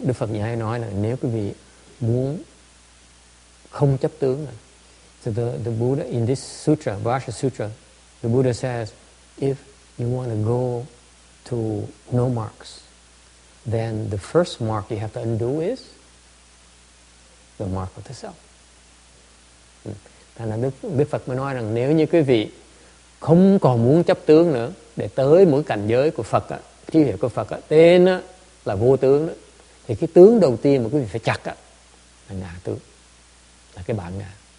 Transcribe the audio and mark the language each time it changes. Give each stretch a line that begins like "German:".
Vietnamese: Đức Phật dạy hay nói là nếu quý vị muốn không chấp tướng,
English: so the Buddha in this sutra, Vajra Sutra, the Buddha says, if you want to go to no marks, then the first mark you have to undo is the mark of the self.
Vietnamese: Thành ra Đức Phật mới nói rằng nếu như quý vị không còn muốn chấp tướng nữa để tới một cảnh giới của Phật á, trí huệ của Phật á, tên á, là vô tướng đó, thì cái tướng đầu tiên mà quý vị phải chặt á, là ngã tướng, là cái bản ngã.